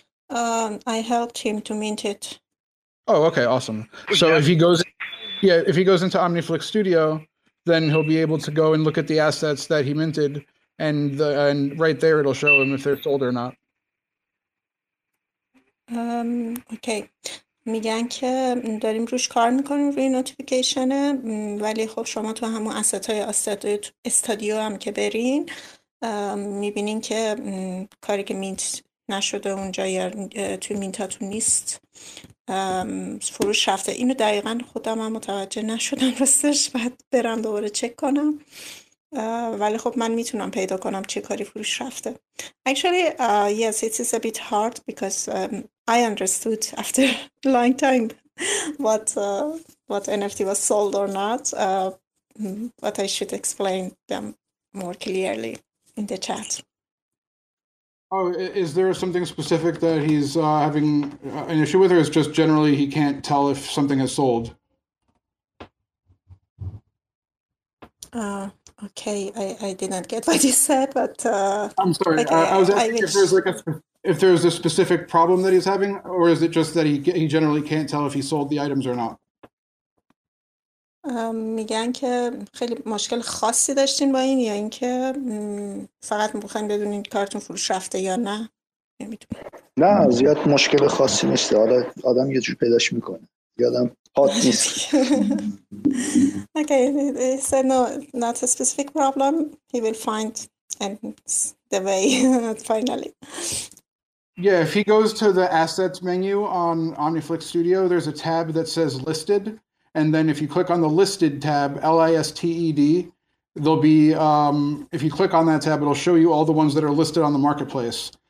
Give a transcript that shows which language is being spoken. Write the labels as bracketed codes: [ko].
[en] I helped him to mint it. Oh, okay, awesome. So yeah. if he goes into OmniFlix Studio, then he'll be able to go and look at the assets that he minted, and right there it'll show him if they're sold or not. Okay. [fa] میگن که داریم روش کار میکنیم روی نوتیفیکیشنه، ولی خب شما تو همون اسست‌های استادیو هم که برین میبینین که کاری که مینت نشده اونجا یا توی مینتاتون نیست، فروش رفته. اینو دقیقا خودم هم متوجه نشدم راستش، بعد برم دوباره چک کنم، ولی خب من میتونم پیدا کنم چه کاری فروش رفته. [en] Actually, yes, it is a bit hard because I understood after a long time what NFT was sold or not, but I should explain them more clearly in the chat. Oh, is there something specific that he's having an issue with, or is just generally he can't tell if something has sold? Okay, I did not get what you said, but... I'm sorry, okay, I was asking if there's a specific problem that he's having, or is it just that he generally can't tell if he sold the items or not? [fa] میگن که خیلی مشکل خاصی داشتین با این، یا اینکه فقط میخواین بدونین کارتون فروش رفته یا نه؟ نمیدونم. نه، زیاد مشکل خاصی نیست، حالا آدم یه جور پیداش میکنه، یادم هات نیست. [en] Okay, he said no, not a specific problem, he will find the way finally. Yeah, if he goes to the assets menu on OmniFlix Studio, there's a tab that says listed. And then if you click on the listed tab, listed, there'll be, if you click on that tab, it'll show you all the ones that are listed on the marketplace.